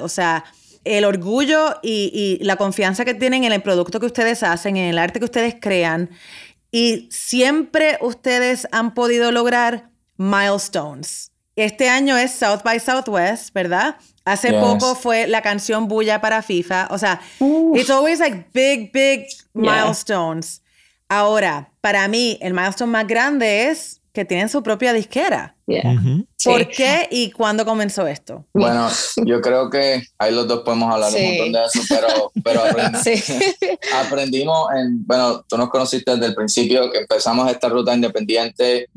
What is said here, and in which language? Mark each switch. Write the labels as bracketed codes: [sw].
[es] O sea, el orgullo y la confianza que tienen en el producto que ustedes hacen, en el arte que ustedes crean. Y siempre ustedes han podido lograr milestones. Este año es South by Southwest, ¿verdad? Hace poco fue la canción Bulla para FIFA. O sea, [en] it's always like big, big milestones. Yeah. [es] Ahora, para mí, el milestone más grande es que tienen su propia disquera. ¿Por qué y cuándo comenzó esto? Bueno, yo creo que ahí los dos podemos hablar un montón de eso, pero aprendimos tú nos conociste desde el principio que empezamos esta ruta independiente.